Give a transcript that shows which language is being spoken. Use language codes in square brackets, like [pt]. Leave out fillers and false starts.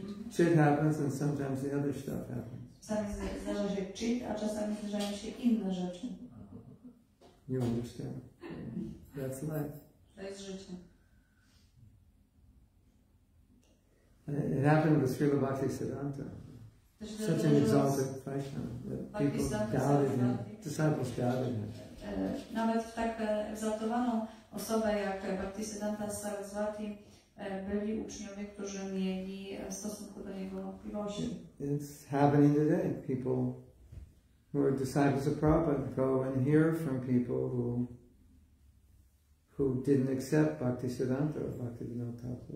[en] Shit happens, and sometimes the other stuff happens. [pl] Czasami zdarza się cheat, a czasami zdarzają się inne rzeczy. [en] You understand? That's life. [pl] To jest życie. [en] It happened with Srila Bhakti Siddhanta. Such an exalted Vaishnava that people doubted him. Disciples doubted him. [pl] Nawet w tak egzaltowaną osobę jak Bhakti Siddhanta Sarasvati byli uczniowie, którzy mieli stosunku do niego wątpliwości. [en] It's happening today. People who are disciples of Prabhupada go and hear from people who didn't accept Bhakti Siddhanta or Bhakti Siddhanta.